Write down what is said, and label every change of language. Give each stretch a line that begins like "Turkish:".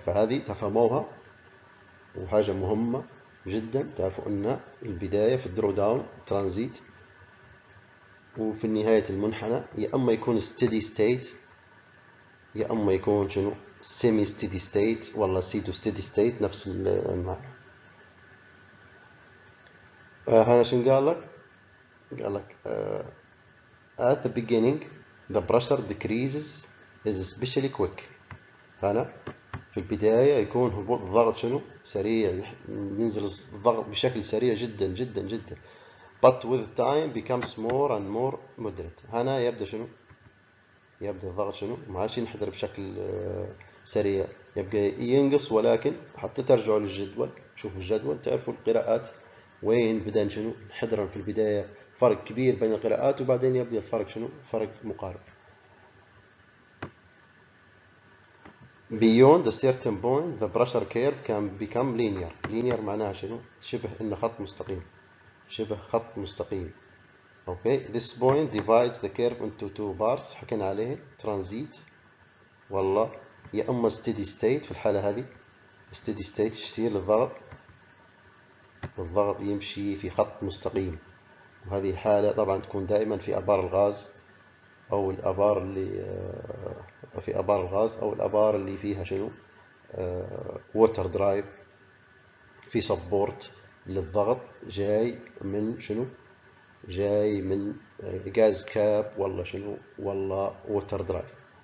Arabic: فهذه تفهموها وحاجة مهمة جدا، تعرفوا ان البداية في الدرو داون ترانزيت، وفي نهاية المنحنى يا اما يكون ستيدي ستيت يا اما يكون شنو؟ سيمي ستيدي ستيت ولا سيتو ستيدي ستيت، نفس المعنى. هنا شنو قال لك؟ قال لك
English: at the beginning the pressure decreases is especially quick.
Arabic: هنا في البداية يكون هبوط الضغط شنو سريع، ينزل الضغط بشكل سريع جدا جدا جدا،
English: but with time becomes more and more moderate.
Arabic: هنا يبدأ شنو، يبدأ الضغط شنو ما عادش ينحدر بشكل سريع، يبقى ينقص، ولكن حتى ترجعوا للجدول، شوفوا الجدول تعرفوا القراءات وين بدأ شنو انحدر في البداية فرق كبير بين القراءات، وبعدين يبدأ الفرق شنو، فرق مقارب.
English: Beyond a certain point the pressure curve can become linear.
Arabic: Linear معناها شنو؟ شبه ان خط مستقيم، شبه خط مستقيم.
English: Okay, this point divides the curve into two bars.
Arabic: حكينا عليه transit والله يا اما steady state. في الحالة هذه steady state يصير الضغط، الضغط يمشي في خط مستقيم، وهذه حالة طبعا تكون دائما في ابار الغاز او الابار اللي في ابار الغاز او الابار اللي فيها شنو ووتر درايف، في سبورت للضغط جاي من شنو، جاي من غاز كاب والله شنو والله ووتر درايف.